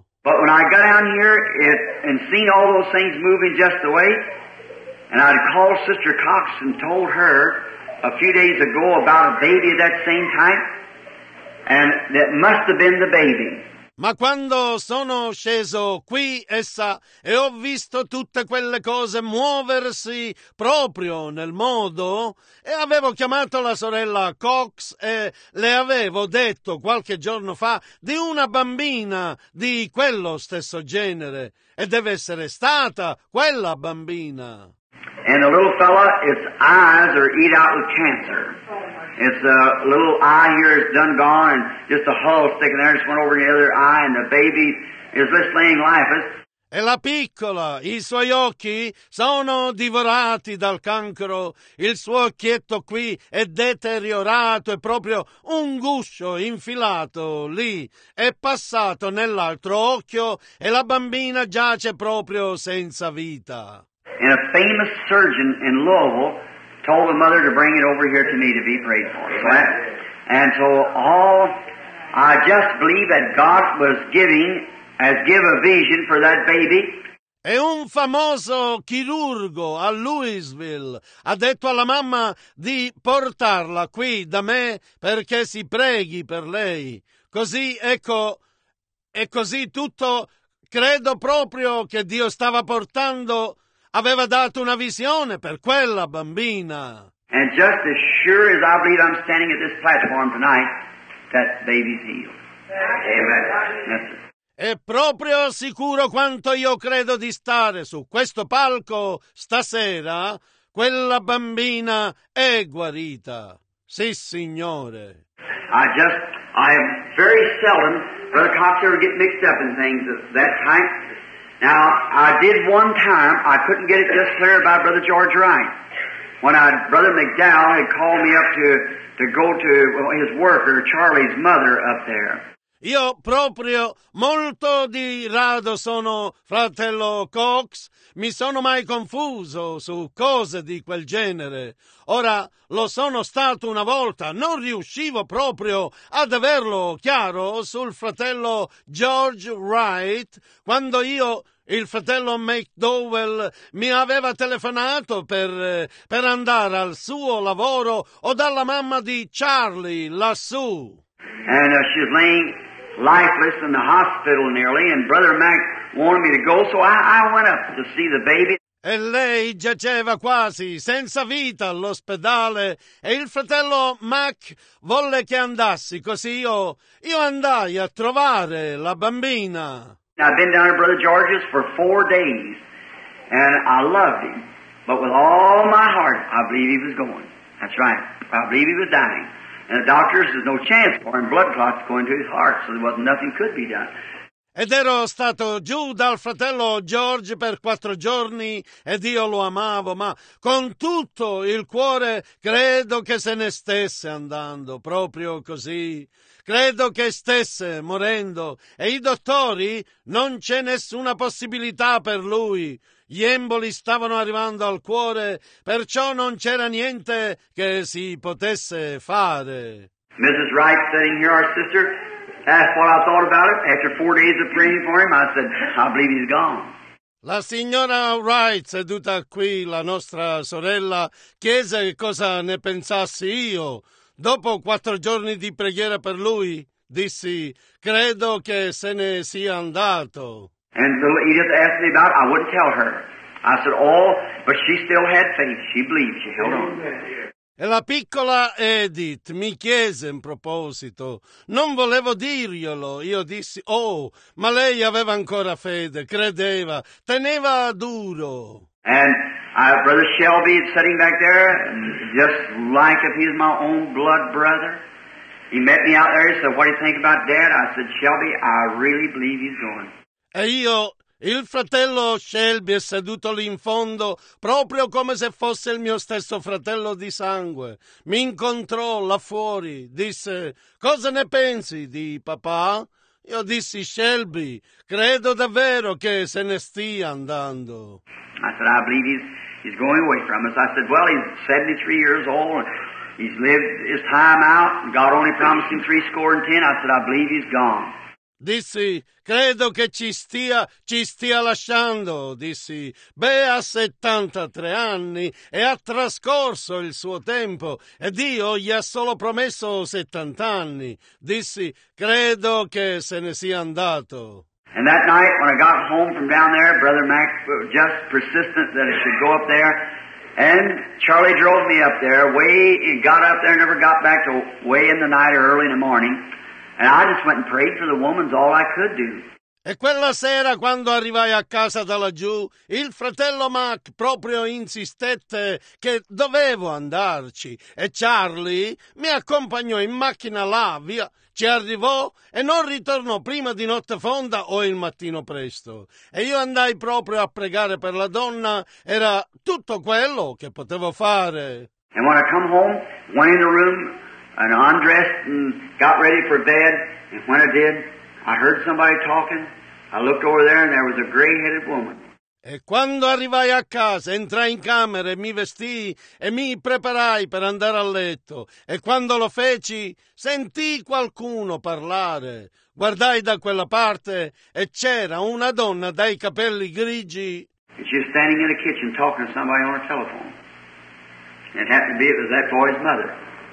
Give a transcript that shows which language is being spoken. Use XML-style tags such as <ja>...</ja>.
<en>But when I got down here and seen all those things moving just the way, and I'd called Sister Cox and told her a few days ago about a baby at that same time, and that must have been the baby.</en> <it>Ma quando sono sceso qui, essa, e ho visto tutte quelle cose muoversi proprio nel modo, e avevo chiamato la sorella Cox e le avevo detto qualche giorno fa di una bambina di quello stesso genere, e deve essere stata quella bambina.</it> <en>And the little fella, his eyes are eat out with cancer. It's a little eye here is done gone, and just a hull sticking there. Just went over the other eye, and the baby is just laying lifeless.</en> <it>E la piccola, i suoi occhi sono divorati dal cancro. Il suo occhietto qui è deteriorato, è proprio un guscio infilato lì. È passato nell'altro occhio, e la bambina giace proprio senza vita.</it> <en>And a famous surgeon in Louisville told the mother to bring it over here to me to be prayed for. So that, and so all, I just believe that God was giving, has given a vision for that baby.</en> <it>E un famoso chirurgo a Louisville ha detto alla mamma di portarla qui da me perché si preghi per lei. Così, ecco, e così tutto, credo proprio che Dio stava portando... Aveva dato una visione per quella bambina.</it> <en>And just as sure as I believe I'm standing at this platform tonight, that baby's healed. Amen.</en> <it>È proprio sicuro quanto io credo di stare su questo palco stasera, quella bambina è guarita. Sì, Signore.</it> <en>I very seldom, Brother Cox ever get mixed up in things at that time. Now, I did one time, I couldn't get it just clear by Brother George Wright. When Brother McDowell had called me up to go to his worker, Charlie's mother, up there.</en> <it>Io proprio molto di rado sono fratello Cox, mi sono mai confuso su cose di quel genere. Ora, lo sono stato una volta, non riuscivo proprio ad averlo chiaro sul fratello George Wright, quando io, il fratello McDowell, mi aveva telefonato per andare al suo lavoro o dalla mamma di Charlie lassù.</it> <en>And she's laying lifeless in the hospital nearly, and Brother Mac wanted me to go, so I went up to see the baby.</en> <it>E lei giaceva quasi senza vita all'ospedale, e il fratello Mac volle che andassi, così io andai a trovare la bambina.</it> <en>I've been down to Brother George's for 4 days, and I loved him, but with all my heart, I believe he was going. That's right. I believe he was dying. And the doctors, there's no chance for him. Blood clots going to his heart, so there was nothing could be done.</en> <it>Ed ero stato giù dal fratello George per 4 giorni ed io lo amavo, ma con tutto il cuore credo che se ne stesse andando proprio così. Credo che stesse morendo e i dottori non c'è nessuna possibilità per lui. Gli emboli stavano arrivando al cuore, perciò non c'era niente che si potesse fare.</it> <en>Mrs. Wright sitting here, our sister. That's what I thought about it. After 4 days of praying for him, I said, I believe he's gone.</en> <it>La signora Wright, seduta qui, la nostra sorella, chiese cosa ne pensassi io. Dopo 4 giorni di preghiera per lui, dissi, credo che se ne sia andato.</it> <en>And little Edith asked me about it, I wouldn't tell her. I said, oh, but she still had faith. She believed. She held on.</en> <it>E la piccola Edith mi chiese in proposito. Non volevo dirglielo. Io dissi, oh, ma lei aveva ancora fede, credeva, teneva duro.</it> <en>And Brother Shelby is sitting back there, just like if he's my own blood brother. He met me out there, he said, what do you think about Dad? I said, Shelby, I really believe he's going.</en> <it>E io, Il fratello Shelby è seduto lì in fondo, proprio come se fosse il mio stesso fratello di sangue. Mi incontrò là fuori, disse: «Cosa ne pensi di papà?» Io dissi: «Shelby, credo davvero che se ne stia andando».</it> <en>I said, I believe he's going away from us. I said, well, he's 73 years old, and he's lived his time out, and God only promised him 70. I said, I believe he's gone.</en> <it>Dissi, credo che ci stia lasciando. Dissi, beh, ha 73 anni e ha trascorso il suo tempo e Dio gli ha solo promesso 70 anni. Dissi, credo che se ne sia andato.</it> <en>And that night when I got home from down there, Brother Max was just persistent that I should go up there. And Charlie drove me up there, way, he got up there, never got back to way in the night or early in the morning. And I just went and prayed for the woman's all I could do.</en> <it>E quella sera, quando arrivai a casa da laggiù, il fratello Mac proprio insistette che dovevo andarci. E Charlie mi accompagnò in macchina là, via. Ci arrivò e non ritornò prima di notte fonda o il mattino presto. E io andai proprio a pregare per la donna. Era tutto quello che potevo fare.</it> <en>And when I come home, went in the room, and undressed and got ready for bed, and when I did, I heard somebody talking. I looked over there and there was a gray-headed woman.</en> <it>E quando arrivai a casa, entrai in camera e mi vestì e mi preparai per andare a letto. E quando lo feci, sentii qualcuno parlare. Guardai da quella parte e c'era una donna dai capelli grigi.</it> <en>And she was standing in the kitchen talking to somebody on her telephone. And it happened to be it was that boy's mother.</en>